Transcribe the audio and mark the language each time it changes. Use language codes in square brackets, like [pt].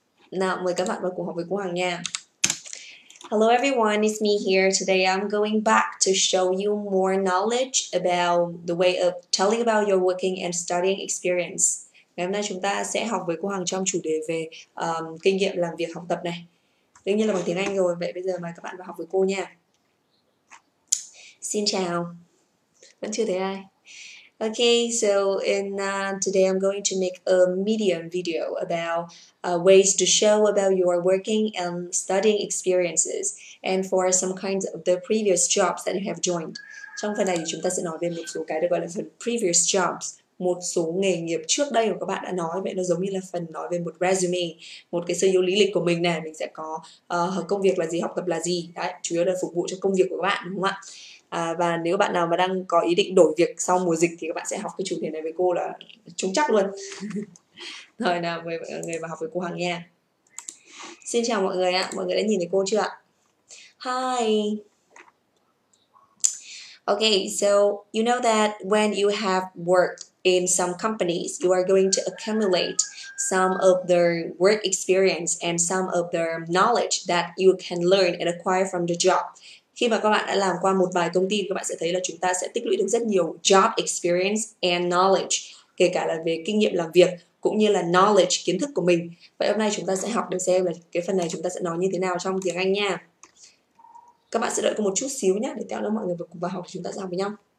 [vi] Nào, mời các bạn vào cuộc họp với cô Hằng nha. [en] Hello everyone, it's me here. Today I'm going back to show you more knowledge about the way of telling about your working and studying experience. [vi] Ngày hôm nay chúng ta sẽ học với cô Hằng trong chủ đề về kinh nghiệm làm việc học tập này. Đương nhiên là bằng tiếng Anh rồi, vậy bây giờ mời các bạn vào học với cô nha. Xin chào. Vẫn chưa thấy ai. [en] Okay, so today I'm going to make a medium video about ways to show about your working and studying experiences and for some kinds of the previous jobs that you have joined. [vi] Trong phần này thì chúng ta sẽ nói về một số cái được gọi là phần previous jobs, một số nghề nghiệp trước đây mà các bạn đã nói. Vậy nó giống như là phần nói về một resume, một cái sơ yếu lý lịch của mình nè. Mình sẽ có công việc là gì, học tập là gì. Đấy, chủ yếu là phục vụ cho công việc của các bạn, đúng không ạ? Và nếu bạn nào mà đang có ý định đổi việc sau mùa dịch thì các bạn sẽ học cái chủ đề này với cô là trúng chắc luôn. Rồi nào, mời mọi người vào học với cô Hằng nha. Xin chào mọi người ạ, mọi người đã nhìn thấy cô chưa ạ? [en] Hi. Okay, so you know that when you have worked in some companies, you are going to accumulate some of their work experience and some of their knowledge that you can learn and acquire from the job. [vi] Khi mà các bạn đã làm qua một vài công ty, các bạn sẽ thấy là chúng ta sẽ tích lũy được rất nhiều [en] job experience and knowledge, [vi] kể cả là về kinh nghiệm làm việc cũng như là knowledge, kiến thức của mình. Vậy hôm nay chúng ta sẽ học để xem là cái phần này chúng ta sẽ nói như thế nào trong tiếng Anh nha. Các bạn sẽ đợi một chút xíu nhé, để theo đó mọi người vào cùng vào học thì chúng ta sẽ học với nhau.